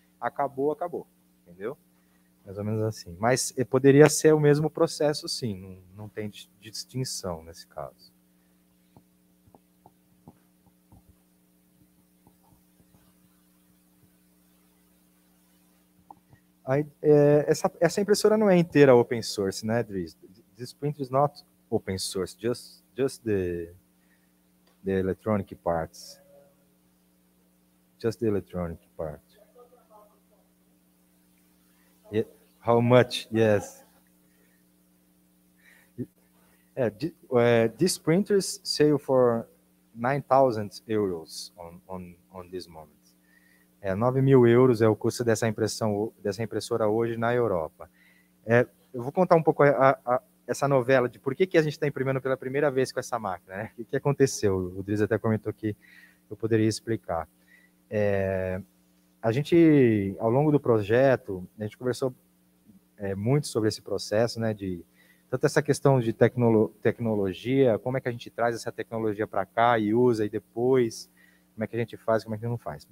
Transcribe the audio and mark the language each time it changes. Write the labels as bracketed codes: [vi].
[pt] Acabou, acabou, entendeu? Mais ou menos assim. Mas poderia ser o mesmo processo, sim. Não tem distinção nesse caso. Aí, essa impressora não é inteira open source, né, Dries? [en] This printer is not open source, just the electronic parts. Just the electronic parts. How much? Yes. This printer is sale for 9,000 euros on this moment. [pt] 9,000 euros é o custo dessa impressora hoje na Europa. Eu vou contar um pouco essa novela de por que a gente está imprimindo pela primeira vez com essa máquina, né? O que aconteceu? O Dries até comentou que eu poderia explicar. A gente, ao longo do projeto, a gente conversou muito sobre esse processo, né, de tanto essa questão de tecnologia, como é que a gente traz essa tecnologia para cá e usa, e depois, como é que a gente faz, como é que a gente não faz.